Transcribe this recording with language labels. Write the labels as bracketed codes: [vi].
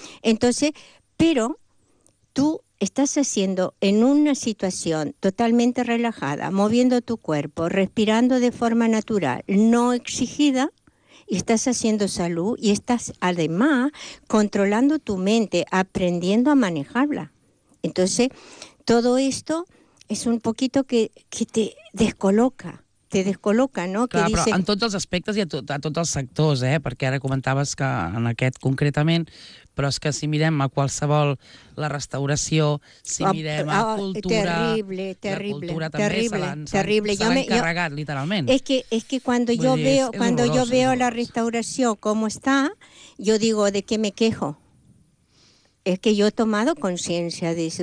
[es] Entonces, pero tú estás haciendo en una situación totalmente relajada, moviendo tu cuerpo, respirando de forma natural, no exigida, y estás haciendo salud y estás además controlando tu mente, aprendiendo a manejarla. Entonces, todo esto es un poquito que te descoloca, ¿no? [ca] Clar, [es] que dice... [ca] però en tots els aspectes i a tots els sectors, perquè ara comentaves que en aquest concretament, però és que si mirem a qualsevol la restauració, si mirem a cultura... Terrible. La cultura també se l'ha encarregat, literalment. És que quan jo veo la restauració com està, jo digo, [es] ¿de qué me quejo? Es que yo he tomado conciencia de eso.